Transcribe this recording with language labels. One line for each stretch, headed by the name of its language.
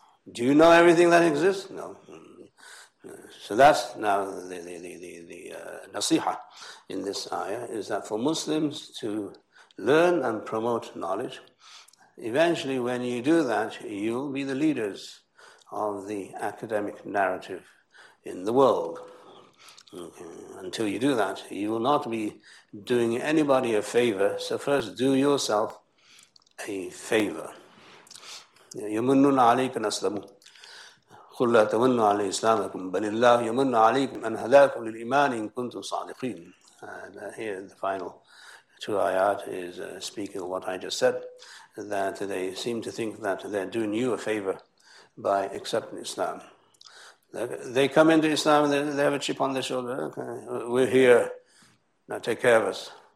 English: Do you know everything that exists? No. So that's now the nasiha in this ayah, is that for Muslims to learn and promote knowledge, eventually when you do that, you'll be the leaders of the academic narrative in the world. Until you do that, you will not be doing anybody a favor. So first do yourself a favor.
Arabic: يمنون عليك أن أسلموا قل لا تمنوا علي إسلامكم بل الله يمن عليكم أن هداكم للإيمان إن كنتم صادقين.
English: And here the final two ayat is speaking of what I just said, that they seem to think that they're doing you a favor by accepting Islam. They come into Islam and they have a chip on their shoulder. Okay, we're here. Now take care of us.